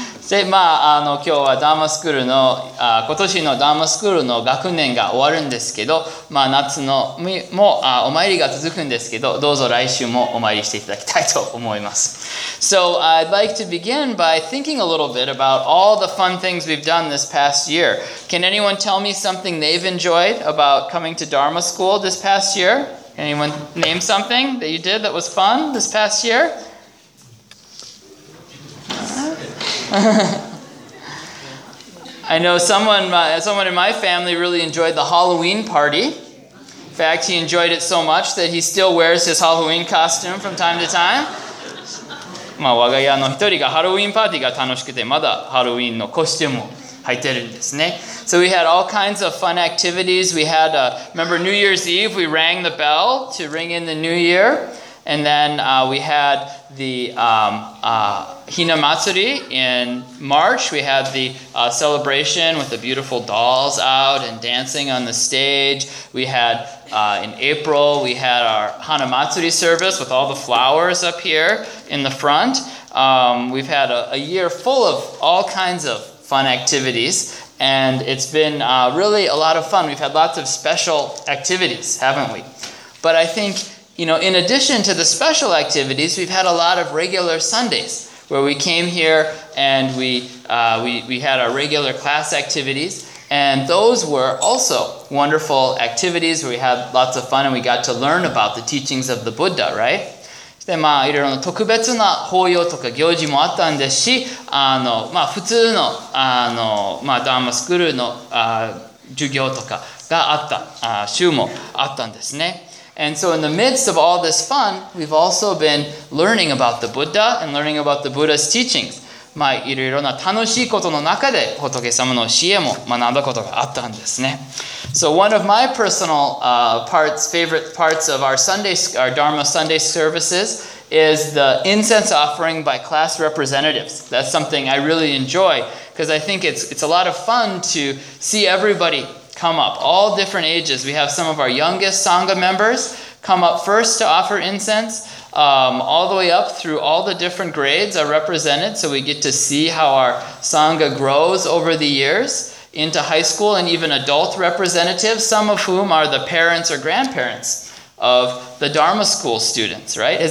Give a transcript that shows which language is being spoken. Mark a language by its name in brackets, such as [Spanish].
[Japanese] で、まあ、今日はダーマスクールの、今年のダーマスクールの学年が終わるんですけど、まあ、夏のも、お参りが続くんですけど、どうぞ来週もお参りしていただきたいと思います。 [English] So, I'd like to begin by thinking a little bit about all the fun things we've done this past year. Can anyone tell me something they've enjoyed about coming to Dharma school this past year? Anyone name something that you did that was fun this past year? I know someone in my family really enjoyed the Halloween party. In fact, he enjoyed it so much that he still wears his Halloween costume from time to time. [Japanese] まあ、我が家の一人がハロウィンパーティーが楽しくてまだハロウィンのコスチュームを履いてるんですね。 [English] So we had all kinds of fun activities. We had, remember New Year's Eve, we rang the bell to ring in the New Year. And then we had the Hinamatsuri in March. We had the celebration with the beautiful dolls out and dancing on the stage. We had in April, we had our Hanamatsuri service with all the flowers up here in the front. We've had a year full of all kinds of fun activities. And it's been really a lot of fun. We've had lots of special activities, haven't we? But I think... You know, in addition to the special activities, we've had a lot of regular Sundays where we came here and we had our regular class activities. And those were also wonderful activities where we had lots of fun and we got to learn about the teachings of the Buddha, right? [Japanese] で、まあ、いろいろな特別な法要とか行事もあったんですし、まあ、普通の、まあ、ダーマスクールの、授業とかがあった、週もあったんですね。 [English] And so in the midst of all this fun, we've also been learning about the Buddha and learning about the Buddha's teachings. [Japanese] まあ、いろいろな楽しいことの中で仏様の教えも学んだことがあったんですね。 [English] So one of my personal favorite parts of our Dharma Sunday services is the incense offering by class representatives. That's something I really enjoy because I think it's a lot of fun to see everybody. Come up, all different ages. We have some of our youngest Sangha members come up first to offer incense, all the way up through all the different grades are represented, so we get to see how our Sangha grows over the years into high school and even adult representatives, some of whom are the parents or grandparents of the Dharma school students, right?